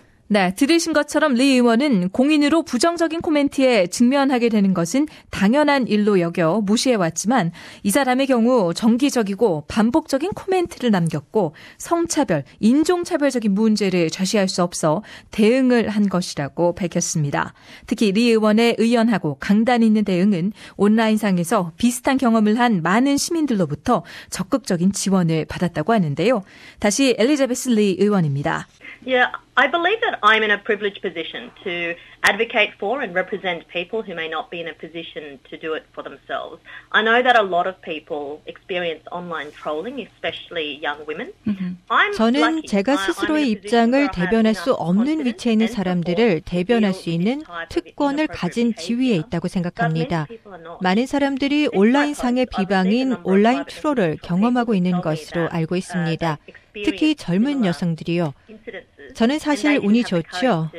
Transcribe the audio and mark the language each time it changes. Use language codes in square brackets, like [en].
[ko] 네, 들으신 것처럼 리 의원은 공인으로 부정적인 코멘트에 직면하게 되는 것은 당연한 일로 여겨 무시해왔지만 이 사람의 경우 정기적이고 반복적인 코멘트를 남겼고 성차별, 인종차별적인 문제를 좌시할 수 없어 대응을 한 것이라고 밝혔습니다. 특히 리 의원의 의연하고 강단 있는 대응은 온라인상에서 비슷한 경험을 한 많은 시민들로부터 적극적인 지원을 받았다고 하는데요. 다시 엘리자베스 리 의원입니다. [en] Yeah. I believe that I'm in a privileged position to advocate for and represent people who may not be in a position to do it for themselves. I know that a lot of people experience online trolling, especially young women. [ko] 저는 제가 스스로의 입장을 대변할 수 없는 위치에 있는 사람들을 대변할 수 있는 특권을 가진 지위에 있다고 생각합니다. 많은 사람들이 온라인상의 비방인 온라인 트롤을 경험하고 있는 것으로 알고 있습니다. 특히 젊은 여성들이요. 저는 사실 운이 좋죠.